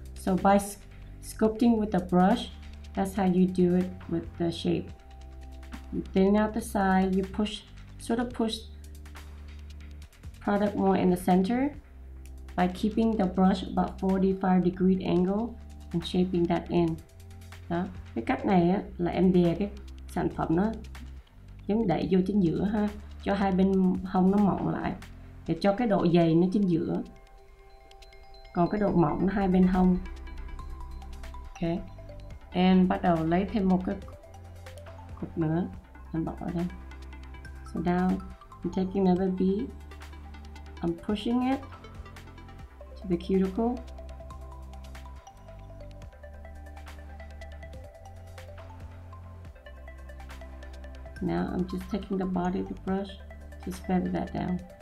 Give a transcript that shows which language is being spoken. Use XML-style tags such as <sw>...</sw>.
<en>So by sculpting with the brush, that's how you do it with the shape. You thin out the side, you push, sort of push product more in the center by keeping the brush about 45 degree angle and shaping that in.</en> <vi>Đó. Cái cách này á, là em đè cái sản phẩm nó giống đẩy vô trên giữa ha, cho hai bên hông nó mỏng lại để cho cái độ dày nó trên giữa, còn cái độ mỏng nó hai bên hông. Ok, em bắt đầu lấy thêm một cái cục nữa, em bỏ vào đây.</vi> <en>So now I'm taking another bead, I'm pushing it to the cuticle. Now I'm just taking the body of the brush to spread that down.</en>